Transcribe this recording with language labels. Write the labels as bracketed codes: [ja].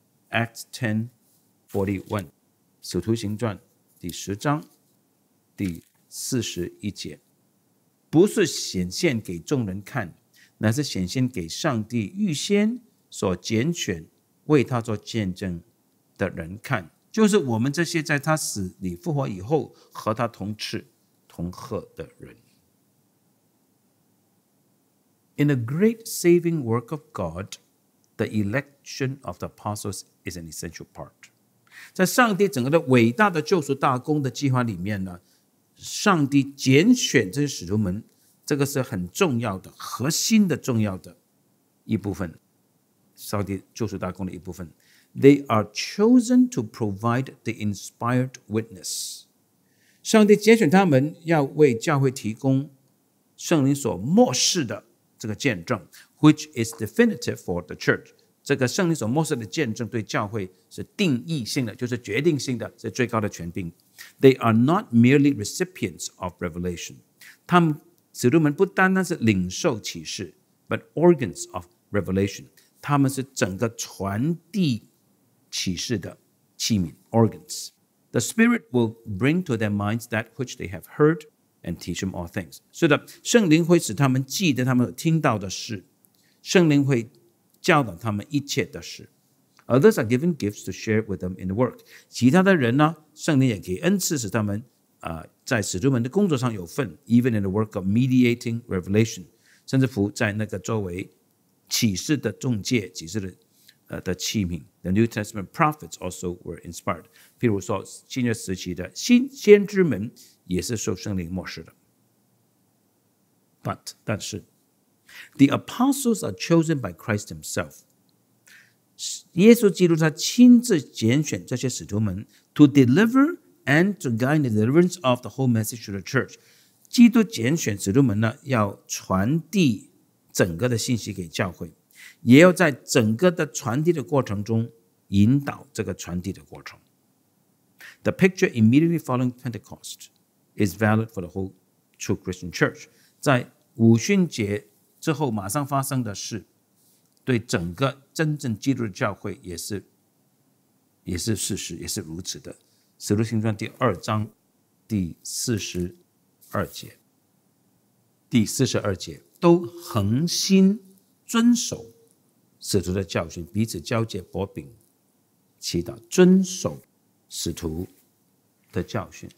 [zh] Acts 10:41, 使徒行传第十章第四十一节，不是显现给众人看，乃是显现给上帝预先所拣选为他做见证的人看，就是我们这些在他死里复活以后和他同吃同喝的人。 [en] In the great saving work of God, the election of the apostles is an essential part. [zh] 在上帝整个的伟大的救赎大功的计划里面呢，上帝拣选这些使徒们，这个是很重要的、核心的、重要的一部分，上帝救赎大功的一部分。 [en] They are chosen to provide the inspired witness. [zh] 上帝拣选他们要为教会提供圣灵所默示的这个见证， [en] which is definitive for the church. [zh] 这个圣灵所默示的见证对教会是定义性的，就是决定性的，是最高的权柄。 [en] They are not merely recipients of revelation. [zh] 他们使徒们不单单是领受启示， [en] but organs of revelation. [zh] 他们是整个传递启示的器皿 organs. [en] The Spirit will bring to their minds that which they have heard and teach them all things. [zh] 是的，圣灵会使他们记得他们听到的事，圣灵会教导他们一切的事。 [en] Others are given gifts to share with them in the work. [zh] 其他的人呢，圣灵也给恩赐使他们在使徒们的工作上有份， [en] even in the work of mediating revelation， [zh] 甚至乎在那个作为启示的中介、启示 的器皿。 [en] The New Testament prophets also were inspired， [zh] 譬如说新约时期的新先知们也是受圣灵默示的。 [en] But [zh] 但是 [en] The apostles are chosen by Christ himself， [zh] 耶稣基督他亲自拣选这些使徒们 [en] to deliverand to guide the deliverance of the whole message to the church. [zh] 基督拣选使徒们呢，要传递整个的信息给教会，也要在整个的传递的过程中引导这个传递的过程。 [en] The picture immediately following Pentecost is valid for the whole true Christian church. [zh] 在五旬节之后马上发生的事，对整个真正基督的教会也是事实，也是如此的。使徒行传第二章第四十二节，第四十二节，都恒心遵守使徒的教训，彼此交接薄饼祈祷，遵守使徒的教训。